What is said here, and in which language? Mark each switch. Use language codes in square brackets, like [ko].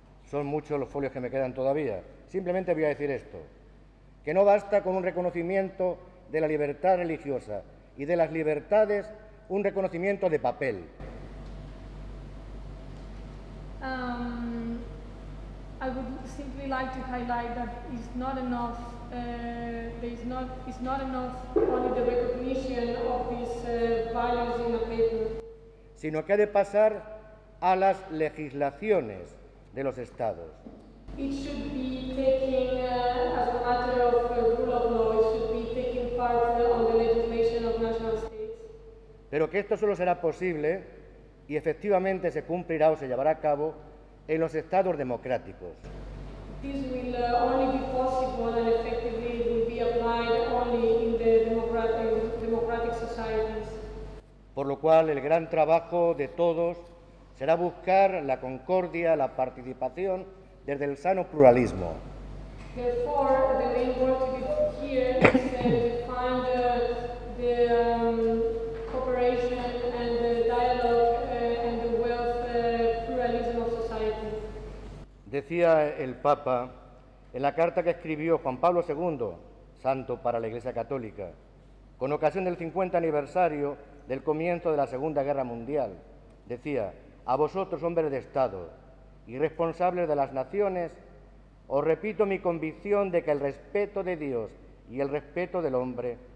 [es] Son muchos los folios que me quedan todavía. Simplemente voy a decir esto, que no basta con un reconocimiento de la libertad religiosa y de las libertades, un reconocimiento de papel. [en] I would simply like to highlight that it's not enough, only the recognition of these values in the paper. [es] Sino que ha de pasar a las legislaciones de los estados. [en] It should be taking as a matter of rule of law, it should be taking part on the legislation of national states. [es] Pero que esto solo será posible y efectivamente se cumplirá o se llevará a cabo en los estados democráticos. [en] This will only be possible and effectively it will be applied only in the democratic societies. [es] Por lo cual el gran trabajo de todos será buscar la concordia, la participación desde el sano pluralismo. [en] Therefore, the main work to do here is to find the cooperation and the dialogue and the wealth pluralism of society. [es] Decía el Papa en la carta que escribió Juan Pablo II, santo para la Iglesia Católica, con ocasión del 50 aniversario del comienzo de la Segunda Guerra Mundial, decía: a vosotros, hombres de Estado y responsables de las naciones, os repito mi convicción de que el respeto de Dios y el respeto del hombre